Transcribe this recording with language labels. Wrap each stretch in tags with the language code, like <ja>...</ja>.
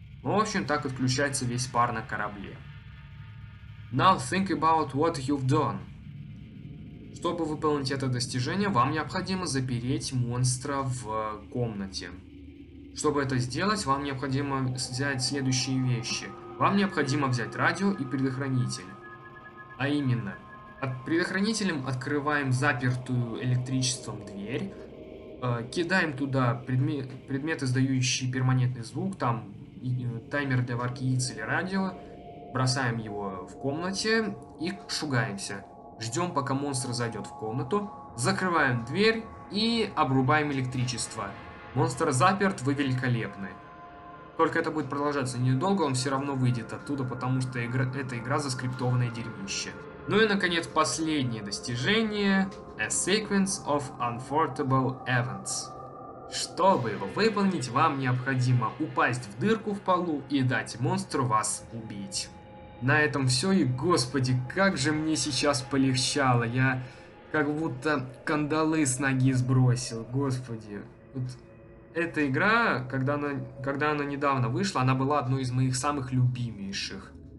<ru>Ну, в общем, так отключается весь пар на корабле.</ru> <en>Now think about what you've done.</en> <ru>Чтобы выполнить это достижение, вам необходимо запереть монстра в комнате. Чтобы это сделать, вам необходимо взять следующие вещи. Вам необходимо взять радио и предохранитель. А именно... Предохранителем открываем запертую электричеством дверь, Кидаем туда предметы, издающие перманентный звук, там таймер для варки яиц или радио. Бросаем его в комнате и шугаемся. Ждем, пока монстр зайдет в комнату. Закрываем дверь и обрубаем электричество. Монстр заперт, вы великолепны. Только это будет продолжаться недолго, он все равно выйдет оттуда, потому что эта игра заскриптованное дерьмище. Ну и, наконец, последнее достижение.</ru> <en>A sequence of unfortable events.</en> <ru>Чтобы его выполнить, вам необходимо упасть в дырку в полу и дать монстру вас убить. На этом все, и господи, как же мне сейчас полегчало. Я как будто кандалы с ноги сбросил, господи. Вот эта игра, когда она недавно вышла, она была одной из моих самых любимейших.</ru>